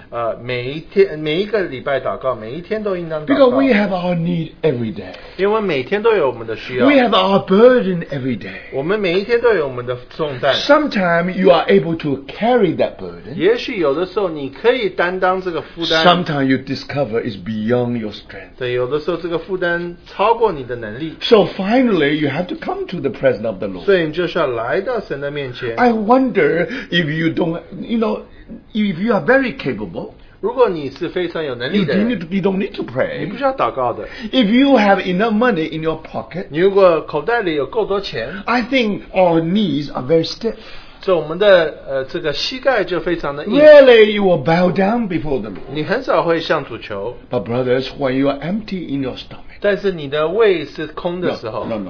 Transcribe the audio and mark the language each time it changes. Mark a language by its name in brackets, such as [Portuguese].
[Chinese] 按照圣经我们不只是每一个礼拜祷告每一天都应当祷告, [English] because we have our need every day, [Chinese] 因为每天都有我们的需要, [English] we have our burden every day, [Chinese] 我们每一天都有我们的重担, [English] sometimes you are able to carry that burden, [Chinese] 也许有的时候你可以担当这个负担, [English] sometimes you discover it's beyond your strength, [Chinese] 对, 有的时候这个负担超过你的能力, [English] so finally you have to come to the presence of the Lord, [Chinese] 所以你就是要来到神的面前。 [English] I wonder if you don't, you know, if you are very capable, [Chinese] 如果你是非常有能力的人, [English] you don't need to pray, [Chinese] 你不需要祷告的, [English] if you have enough money in your pocket, [Chinese] 你如果口袋里有够多钱, [English] I think our knees are very stiff, [Chinese] 所以我们的这个膝盖就非常的硬, [English] really you will bow down before the Lord, [Chinese] 你很少会向主求, [English] but brothers, when you are empty in your stomach, [Chinese] 但是你的胃是空的时候,